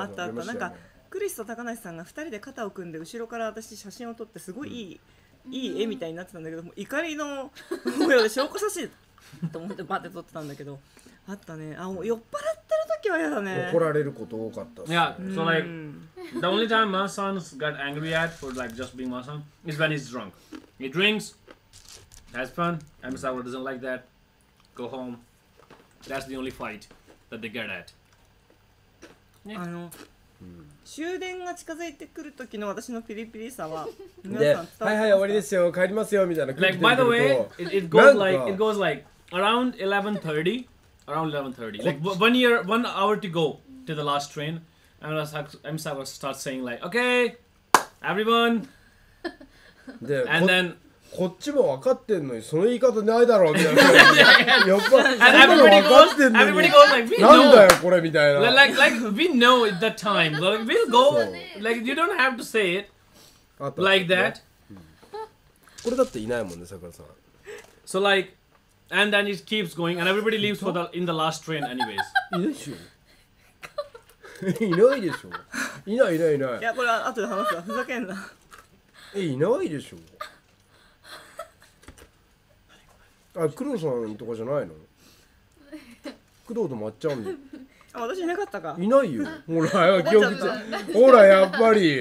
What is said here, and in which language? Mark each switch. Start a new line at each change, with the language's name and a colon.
Japanese: あったあった、なんかクリスと高梨さんが2人で肩を組んで後ろから私写真を撮って、すごいいい、いい絵みたいになってたんだけど、もう怒りの模様で証拠写真と思ってバッて撮ってたんだけど、あったね。あ、もう酔っ払ってる時はやだね。怒られること多かったっすね。
English: Yeah, so like the only time Masan got angry at for like just being Masan is when he's drunk. He drinks, has fun, and Masan doesn't like that, go home. That's the only fight that they get at、
Japanese: ね、あの、うん、終電が近づいてくる時の私のピリピリさは皆さん伝わった。はいはい、終わりですよ、帰りますよみたいな。
English: Like by the way, it goes like it goes like around 11:30, around 11:30. Like one hour to go to the last train, and Emisawa starts saying like, okay, everyone.
Japanese: で、
English: and then
Japanese: こっちも分かってんのにその言い方ないだろうみたいな。やっぱ
English: and everybody goes like, we know.
Japanese: なんだよこれみたいな。
English: Like we know the time. Like, we'll go. Like you don't have to say it like that.
Japanese: これだっていないもんね、さくらさん。
English: So like, and then it keeps going, and everybody leaves for the in the last train anyways.
Japanese: いないでしょ。いないでしょ。いないいないいない。いや、これは後で話すわ。ふざけんな。え、いないでしょ。あ、クロさんとかじゃないの？クロとまっちゃうの？あ、私いなかったか？いないよ。ほら、記憶違い。ほら、やっぱり。